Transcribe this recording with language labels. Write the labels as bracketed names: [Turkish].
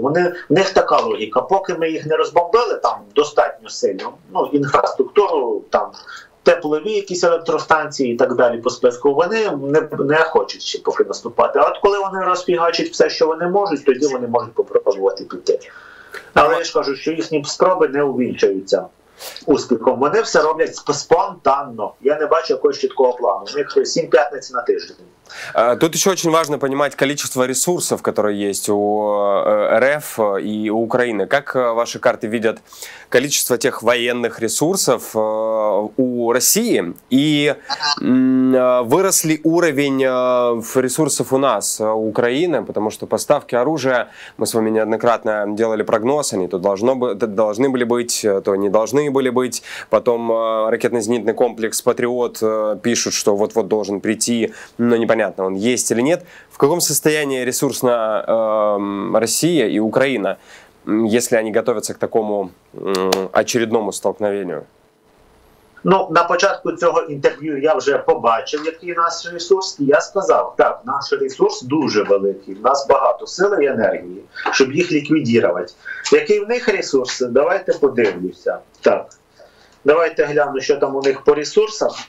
[Ukrainian] Вони, в них така логіка. Поки ми їх не розбомбили там достатньо сильно, ну, інфраструктуру, там теплові якісь електростанції і так далі по списку, вони не хочуть ще поки наступати. А от коли вони розфігачать все, що вони можуть, тоді вони можуть попробувати піти. Але я ж кажу, що їхні спроби не увінчуються успіхом. Вони все роблять спонтанно. Я не бачу якогось чіткого плану. У них 7 п'ятниць на тиждень. [Russian] Тут еще очень важно понимать количество ресурсов, которые есть у РФ и у Украины. Как ваши карты видят количество тех военных ресурсов у России? И вырос ли уровень ресурсов у нас, у Украины? Потому что поставки оружия, мы с вами неоднократно делали прогноз, они то должны были быть, то не должны были быть. Потом ракетно-зенитный комплекс «Патриот» пишут, что вот-вот должен прийти, но непонятно. Он есть или нет. В каком состоянии ресурсно Россия и Украина, если они готовятся к такому очередному столкновению? [Ukrainian] Ну, на початку цього інтерв'ю я вже побачив, який наш ресурс, і я сказав, так, наш ресурс дуже великий, в нас багато сили і енергії, щоб їх ліквідувати. Який в них ресурс, давайте подивлюся. Так, давайте гляну, що там у них по ресурсам.